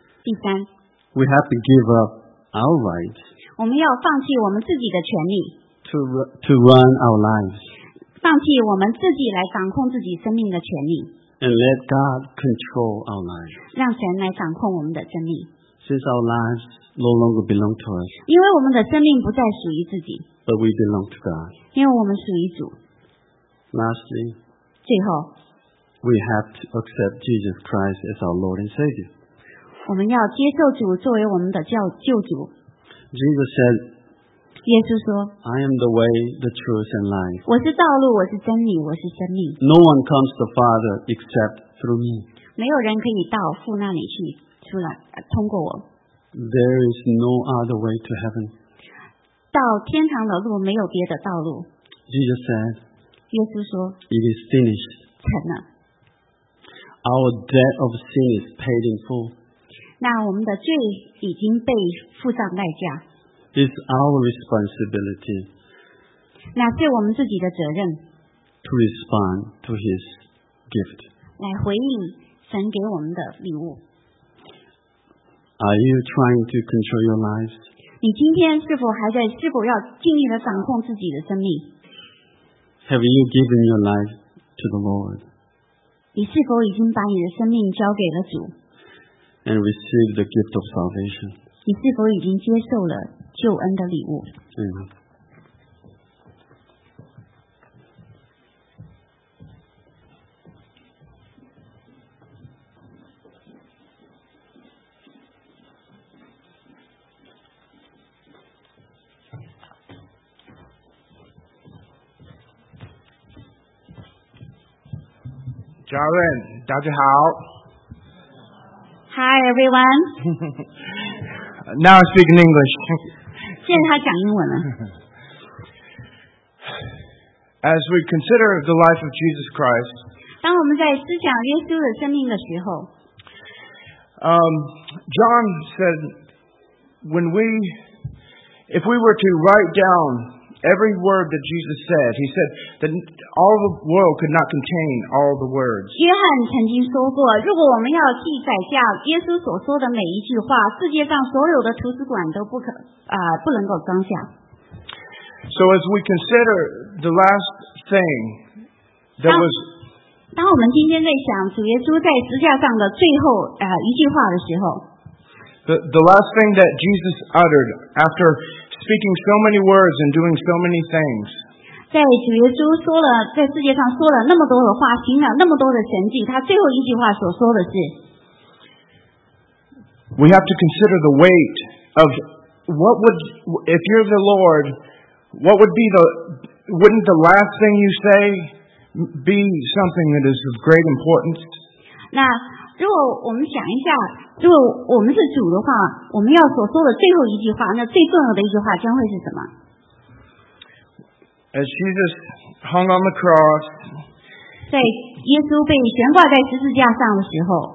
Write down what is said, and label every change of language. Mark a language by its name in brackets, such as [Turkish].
[Chinese] 第三， [English] we have to give up our rights. [Chinese] 我们要放弃我们自己的权利。 [English] To run our lives. [Chinese] 放弃我们自己来掌控自己生命的权利。 [English] And let God control our lives. [Chinese] 让神来掌控我们的生命。 [English] Since our lives no longer belong to us. [Chinese] 因为我们的生命不再属于自己。 [English] But we belong to God. [Chinese] 因为我们属于主。 [English] Lastly, [Chinese] 最后， [English] we have to accept Jesus Christ as our Lord and Savior. [Chinese] 我们要接受主作为我们的救主。 [English] Jesus said, [Chinese] 耶稣说， [English] I am the way, the truth, and life. [Chinese] 我是道路，我是真理，我是生命。 [English] No one comes to the Father except through me. [Chinese] 没有人可以到父那里去出来，通过我。 [English] There is no other way to heaven. [Chinese] 到天堂的路没有别的道路。 [English] Jesus said, [Chinese] 耶稣说， [English] It is finished. [Chinese] 成了。 [English] Our debt of sin is paid in full. [Chinese] 那我们的罪已经被付上代价。 [English] It's our responsibility. [Chinese] 那是我们自己的责任。 [English] To respond to his gift. [Chinese] 来回应神给我们的礼物。 [English] Are you trying to control your life? [Chinese] 你今天是否还在，是否要尽力的掌控自己的生命？ [English] Have you given your life to the Lord? [Chinese] 你是否已经把你的生命交给了主？ [English] And received the gift of salvation? [Chinese] 你是否已经接受了救恩的礼物？ [English] Amen. [Chinese] Jaren, 大家好。 [English] Hi, everyone. Now I speak in English. [Chinese] 现在他讲英文了。 [English] As we consider the life of Jesus Christ, [Chinese] 当我们在思想耶稣的生命的时候， [English] John said, if we were to write down every word that Jesus said, he said that all the world could not contain all the words. [Chinese] 约翰曾经说过，如果我们要记载下耶稣所说的每一句话，世界上所有的图书馆都不能够装下。 [English] So as we consider the last thing that was, [Chinese] 当我们今天在想主耶稣在十字架上的最后一句话的时候， [English] the last thing that Jesus uttered after speaking so many words and doing so many things. [Chinese] 在主耶稣说了，在世界上说了那么多的话，行了那么多的神迹，他最后一句话所说的是， [English] We have to consider the weight of what would, if you're the Lord, what would be the, wouldn't the last thing you say be something that is of great importance? [Chinese] 那如果我们想一下，如果我们是主的话，我们要所说的最后一句话，那最重要的一句话将会是什么？ [English] As Jesus hung on the cross, [Chinese] 在耶稣被悬挂在十字架上的时候，